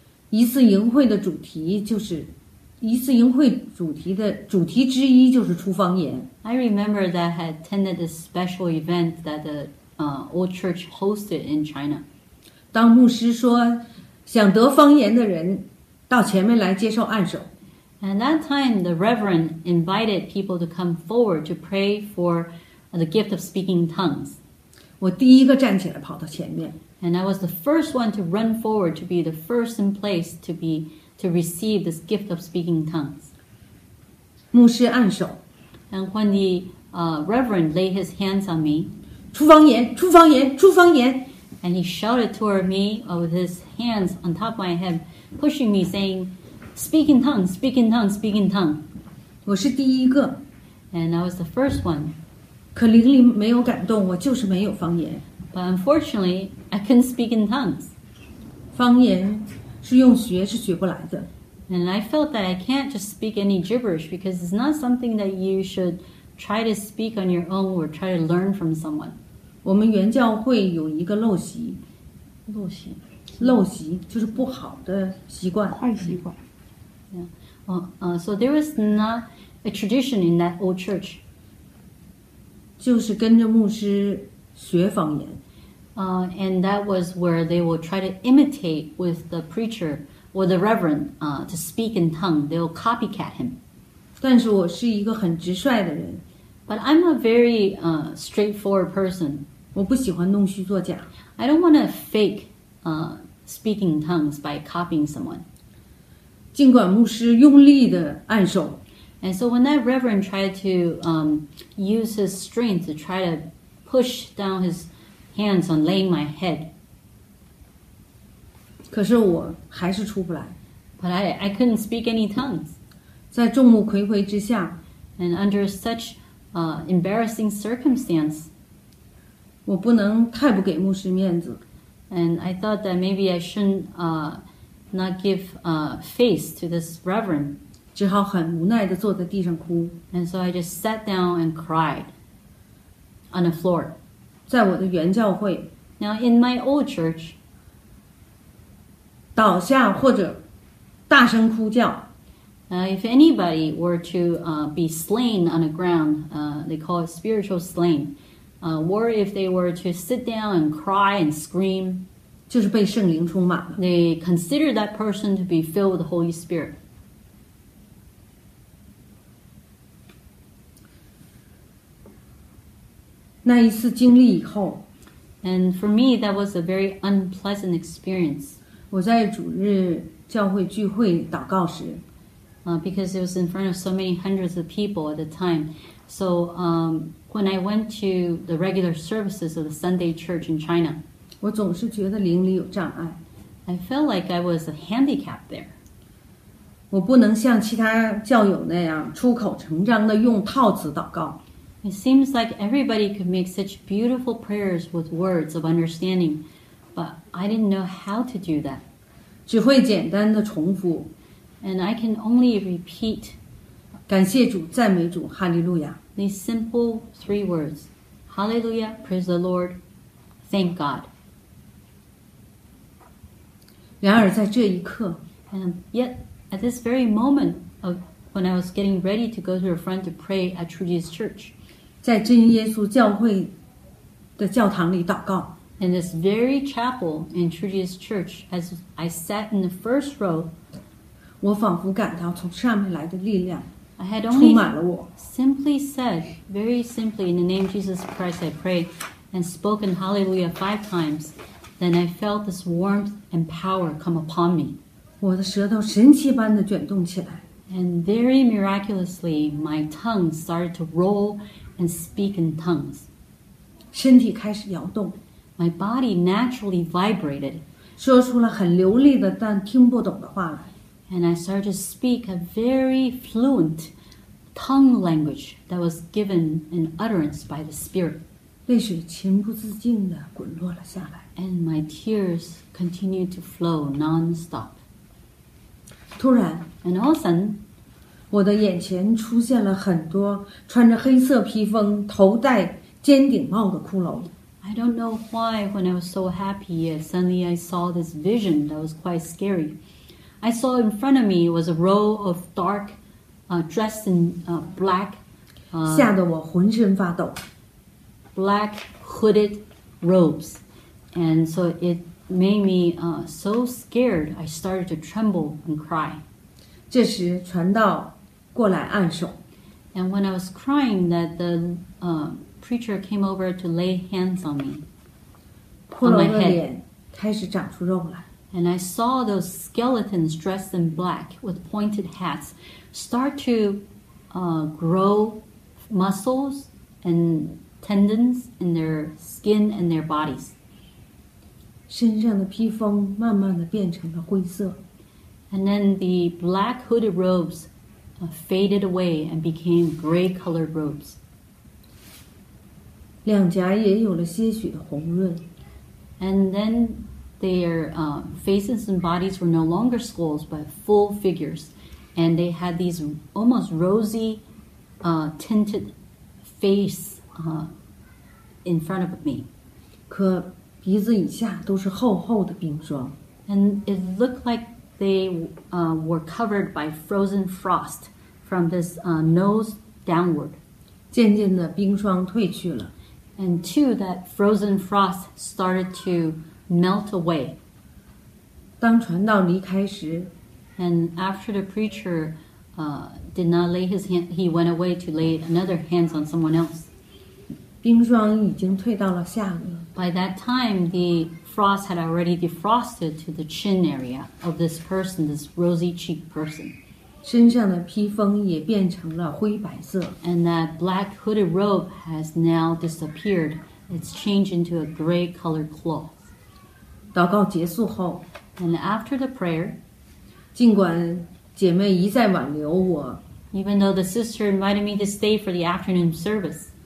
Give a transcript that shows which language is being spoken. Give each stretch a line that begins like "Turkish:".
Chinese: 一次营会的主题就是一次营会主题的主题之一就是出方言。
English: I remember that I had attended a special event that the old church hosted in China.
Chinese: 当牧师说想得方言的人到前面来接受按手。
English: And that time, the reverend invited people to come forward to pray for the gift of speaking tongues.
Chinese: 我第一个站起来跑到前面。
English: And I was the first one to run forward to be the first in place to receive this gift of speaking tongues.
Chinese: 牧师按手。
English: And when the reverend laid his hands on me,
Chinese: 出方言，出方言，出方言。
English: And he shouted toward me with his hands on top of my head, pushing me, saying, speak in tongues, speak in tongues, speak in tongues.
Chinese: 我是第一个。
English: And I was the first one.
Chinese: 可灵里没有感动，我就是没有方言。
English: But unfortunately, I couldn't speak in tongues.
Chinese: 方言是用学是学不来的。
English: And I felt that I can't just speak any gibberish because it's not something that you should try to speak on your own or try to learn from someone.
Chinese: 我们原教会有一个陋习，陋习，陋习就是不好的习惯，坏习惯。
English: Yeah. So there was not a tradition in that old church.
Chinese: 就是跟着牧师学方言。
English: And that was where they will try to imitate with the preacher or the reverend to speak in tongue, they'll copycat him.
Chinese: 但是我是一个很直率的人。
English: But I'm a very straightforward person.
Chinese: 我不喜欢弄虚作假。
English: I don't want to fake speaking in tongues by copying someone.
Chinese: 尽管牧师用力地按手。
English: And so when that reverend tried to use his strength to try to push down his hands on laying my head,
Chinese: 可是我还是出不来。
English: But I couldn't speak any tongues.
Chinese: 在众目睽睽之下。
English: And under such embarrassing circumstance,
Chinese: 我不能太不给牧师面子。
English: And I thought that maybe I shouldn't not give face to this reverend.
Chinese: 只好很无奈地坐在地上哭。
English: And so I just sat down and cried on the floor.
Chinese: 在我的原教会。
English: Now in my old church,
Chinese: 倒下或者大声哭叫。
English: If anybody were to be slain on the ground, they call it spiritual slain, or if they were to sit down and cry and scream,
Chinese: 就是被圣灵充满了。
English: They consider that person to be filled with the Holy Spirit.
Chinese: 那一次经历以后
English: And for me, that was a very unpleasant experience.
Chinese: 我在主日教会聚会祷告时
English: Because it was in front of so many hundreds of people at the time. So when I went to the regular services of the Sunday church in China,
Chinese: 我总是觉得灵里有障碍
English: I felt like I was a handicap there.
Chinese: 我不能像其他教友那样出口成章地用套词祷告。
English: It seems like everybody could make such beautiful prayers with words of understanding, but I didn't know how to do that.
Chinese: 只会简单的重复。
English: And I can only repeat
Chinese: 感谢主，赞美主，哈利路亚。
English: These simple three words, Hallelujah, praise the Lord, thank God.
Chinese: 然而在这一刻
English: And yet, at this very moment of when I was getting ready to go to the front to pray at True Jesus Church,
Chinese: 在真耶稣教会的教堂里祷告。
English: In this very chapel in True Jesus Church, as I sat in the first row,
Chinese: 我仿佛感到从上面来的力量充满了我。
English: I had only simply said, very simply, in the name of Jesus Christ, I pray, and spoken hallelujah five times, then I felt this warmth and power come upon me.
Chinese: 我的舌头神奇般的卷动起来。
English: And very miraculously, my tongue started to roll and speak in tongues.
Chinese: 身体开始摇动。
English: My body naturally vibrated.
Chinese: 说出了很流利的但听不懂的话来。
English: And I started to speak a very fluent tongue language that was given an utterance by the Spirit.
Chinese: 泪水情不自禁地滚落了下来。
English: And my tears continued to flow non-stop.
Chinese: 突然
English: And all of a sudden,
Chinese: 我的眼前出现了很多穿着黑色披风、头戴尖顶帽的骷髅。
English: I don't know why when I was so happy, suddenly I saw this vision that was quite scary. I saw in front of me was a row of dark, dressed in black,
Chinese: 吓得我浑身发抖。
English: Black hooded robes. And so it made me so scared, I started to tremble and cry.
Chinese: 这时传道过来按手。
English: And when I was crying, that the preacher came over to lay hands on me.
Chinese: 骷髅的脸开始长出肉来。
English: And I saw those skeletons dressed in black with pointed hats start to grow muscles and tendons in their skin and their bodies.
Chinese: 身上的披风慢慢地变成了灰色。
English: And then the black hooded robes faded away and became gray colored robes.
Chinese: 两颊也有了些许的红润。
English: And then their faces and bodies were no longer skulls but full figures. And they had these almost rosy tinted face in front of me.
Chinese: 可鼻子以下都是厚厚的冰霜。
English: And it looked like they were covered by frozen frost from this nose downward.
Chinese: 渐渐的冰霜退去了。
English: And two, that frozen frost started to melt away.
Chinese: 当传道离开时
English: And after the preacher did not lay his hand, he went away to lay another hands on someone else.
Chinese: 冰霜已经退到了下颚
English: By that time, the frost had already defrosted to the chin area of this person, this rosy-cheeked person.
Chinese: 身上的披风也变成了灰白色
English: And that black hooded robe has now disappeared. It's changed into a gray-colored cloth.
Chinese: 祷告结束后
English: And after the prayer,
Chinese: 尽管姐妹一再挽留我
English: even though the sister invited me to stay for the afternoon service,